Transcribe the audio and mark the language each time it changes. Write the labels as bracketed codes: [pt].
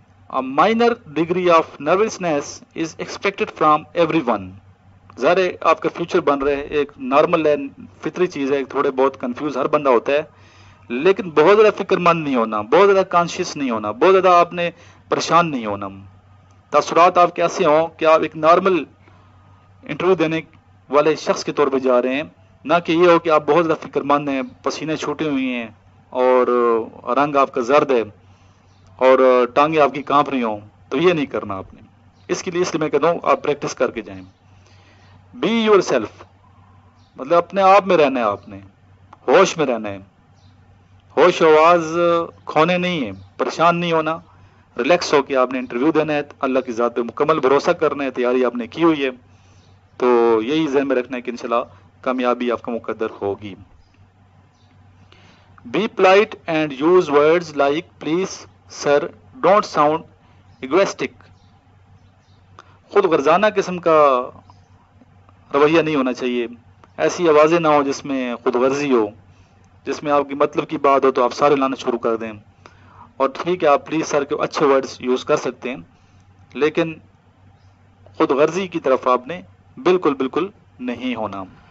[en] A minor degree of nervousness is expected from everyone. [ur] ظاہر ہے آپ کا فیوچر بن رہے ہیں، ایک نارمل ہے، فطری چیز ہے، تھوڑے بہت کنفیوز ہر بندہ ہوتا ہے، لیکن بہت زیادہ فکر مند نہیں ہونا، بہت زیادہ کانشیس نہیں ہونا، بہت زیادہ آپ نے پریشان نہیں ہونا. تاثرات آپ کے ایسے ہوں کہ آپ ایک نارمل انٹرویو دینے والے شخص کے طور پہ جا رہے ہیں، نہ کہ یہ ہو کہ آپ بہت زیادہ فکر مند ہیں، پسینے چھوٹے ہوئے ہیں اور رنگ آپ کا زرد ہے اور ٹانگیں آپ کی کانپ رہی ہوں، تو یہ نہیں کرنا آپ نے. اس لیے میں کہتا ہوں آپ پریکٹس کر کے جائیں. [en] be yourself, [ur] مطلب اپنے آپ میں رہنا ہے، آپ نے ہوش میں رہنا ہے، ہوش آواز کھونے نہیں ہے، پریشان نہیں ہونا، ریلیکس ہو کے آپ نے انٹرویو دینا ہے، اللہ کی ذات پہ مکمل بھروسہ کرنا ہے، تیاری آپ نے کی ہوئی ہے، تو یہی ذہن میں رکھنا ہے کہ انشاءاللہ کامیابی آپ کا مقدر ہوگی. [en] Be polite and use words like please, sir, don't sound egoistic. [ur] خود غرضانہ قسم کا رویہ نہیں ہونا چاہیے، ایسی آوازیں نہ ہو جس میں خود غرضی ہو، جس میں آپ کی مطلب کی بات ہو تو آپ سارے لانا شروع کر دیں. اور ٹھیک ہے آپ پلیز سر کے اچھے ورڈز یوز کر سکتے ہیں، لیکن خود غرضی کی طرف آپ نے بالکل بالکل نہیں ہونا.